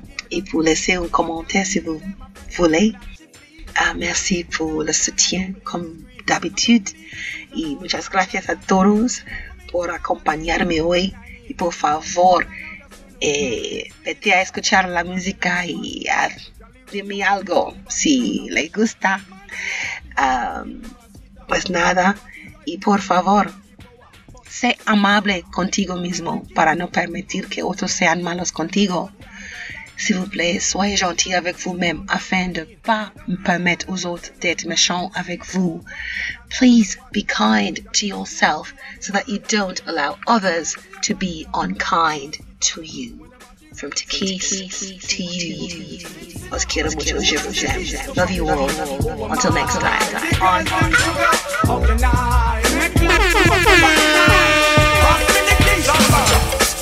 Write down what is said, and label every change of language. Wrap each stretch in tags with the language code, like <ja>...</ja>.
<fr>Et pour laisser un commentaire si vous voulez. Merci pour le soutien comme d'habitude.</fr> <es>Y muchas gracias a todos por acompañarme hoy. Y por favor, vete a escuchar la música y dime algo si le gusta. Pues nada. Y por favor, sé amable contigo mismo para no permitir que otros sean malos contigo.</es> <fr>S'il vous plaît, soyez gentil avec vous-même afin de pas permettre aux autres d'être méchants avec vous.</fr> <en>Please be kind to yourself so that you don't allow others to be unkind to you. From Tiki to you.</en> <es>Os quiero mucho,</es> <fr>je vous aime.</fr> <en>Love you all. Until next time.</en>